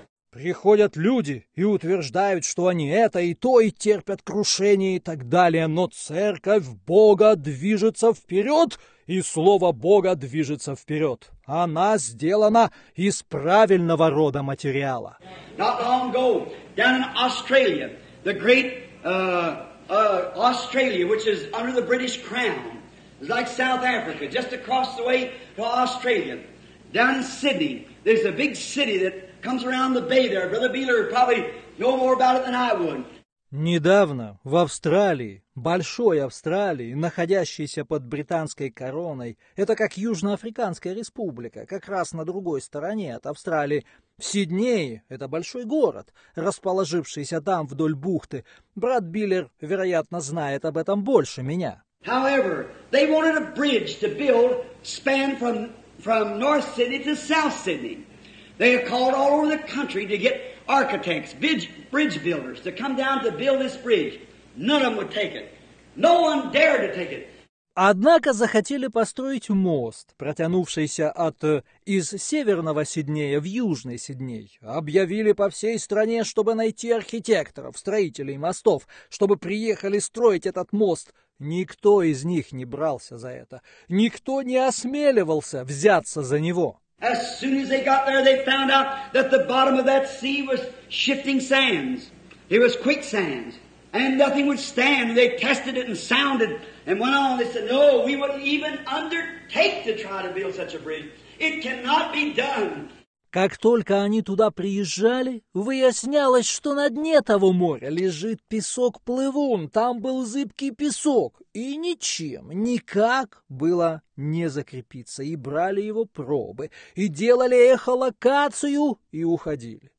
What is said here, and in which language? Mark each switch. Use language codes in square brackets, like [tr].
[ru] Приходят люди и утверждают, что они это и то, и терпят крушение и так далее, но Церковь Бога движется вперед, и Слово Бога движется вперед. Она сделана из правильного рода материала. [en] Not long ago, down in Australia, the great Australia, which is under the British crown, is like South Africa, just across the way to Australia, down in Sydney, there's a big city that comes around the bay there. Brother Beeler probably know more about it than I would. [ru] Недавно в Австралии, большой Австралии, находящейся под британской короной, это как Южноафриканская республика, как раз на другой стороне от Австралии, в Сиднее, это большой город, расположившийся там вдоль бухты, брат Биллер, вероятно, знает об этом больше меня. [en] However, they wanted a bridge to build span from North Sydney to South Sydney. They have called all over the country to get architects, bridge builders, to come down to build this bridge. None of them would take it. No one dared to take it. [ru] Однако захотели построить мост, протянувшийся из северного Сиднея в южный Сидней. Объявили по всей стране, чтобы найти архитекторов, строителей мостов, чтобы приехали строить этот мост. Никто из них не брался за это. Никто не осмеливался взяться за него. [en] As soon as they got there, they found out that the bottom of that sea was shifting sands. It was quicksands, and nothing would stand. They tested it and sounded and went on. They said, no, we wouldn't even undertake to try to build such a bridge. It cannot be done. [ru] Как только они туда приезжали, выяснялось, что на дне того моря лежит песок-плывун. Там был зыбкий песок, и ничем, никак было не закрепиться. И брали его пробы, и делали эхолокацию, и уходили.